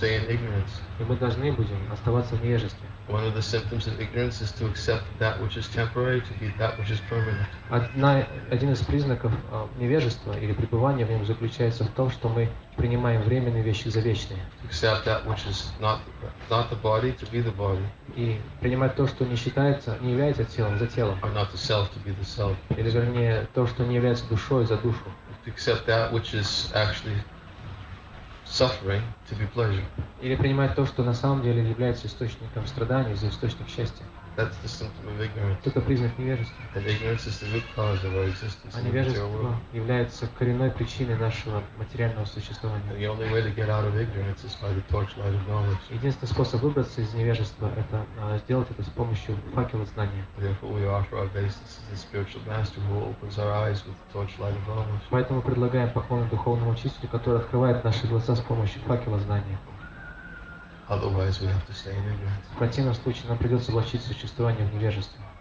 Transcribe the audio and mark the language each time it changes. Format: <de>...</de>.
<ru>И мы должны будем оставаться в невежестве.</ru> <en>One of the symptoms of ignorance is to accept that which is temporary to be that which is permanent.</en> <ru>Один из признаков невежества или пребывания в нем заключается в том, что мы принимаем временные вещи за вечные.</ru> <en>Accept that which is not the body to be the body.</en> <ru>И принимать то, что не считается, не является телом, за телом.</ru> <en>Or not the self to be the self.</en> <ru>Или, вернее, то, что не является душой, за душу.</ru> <en>Accept that which is actually suffering to be pleasure.</en> <ru>Или принимать то, что на самом деле является источником страданий, за источник счастья.</ru> <en>That's the symptom of ignorance.</en> <ru>Это признак невежества.</ru> <en>And ignorance is the root cause of our existence.</en> <ru>А невежество является коренной причиной нашего материального существования.</ru> <en>The only way to get out of ignorance is by the torchlight of knowledge.</en> <ru>Единственный способ выбраться из невежества – это сделать это с помощью факела знания.</ru> <en>Therefore, we offer our basis to the spiritual master who opens our eyes with the torchlight of knowledge.</en> <ru>Поэтому предлагаем поклон духовному учителю, который открывает наши глаза с помощью факела знания.</ru> <en>Otherwise, we have to stay in ignorance.</en> <ru>В противном случае нам придется влачить существование в невежестве.</ru>